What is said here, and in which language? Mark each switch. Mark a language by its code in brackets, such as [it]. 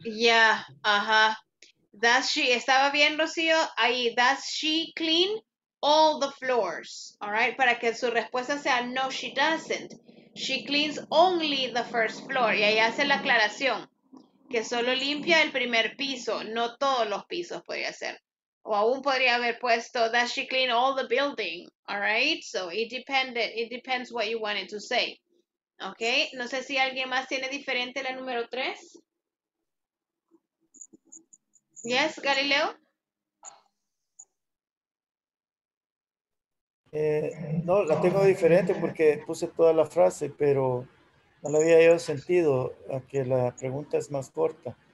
[en] Yeah, ajá. Does she, [es] estaba bien, [en] Rocío, [es] ahí, [en] does she clean all the floors? [es] All right, para que su respuesta sea, [en] no, she doesn't. She cleans only the first floor. [es] Y ahí hace la aclaración, que solo limpia el primer piso, no todos los pisos podría ser. O aún podría haber puesto, [en] does she clean all the building? All right, so it depends what you wanted to say. [es] Okay, no sé si alguien más tiene diferente la número tres. [en] Yes, Galileo? [es] No, la tengo diferente porque puse toda la frase, pero no la había yo sentido a que la pregunta es más corta.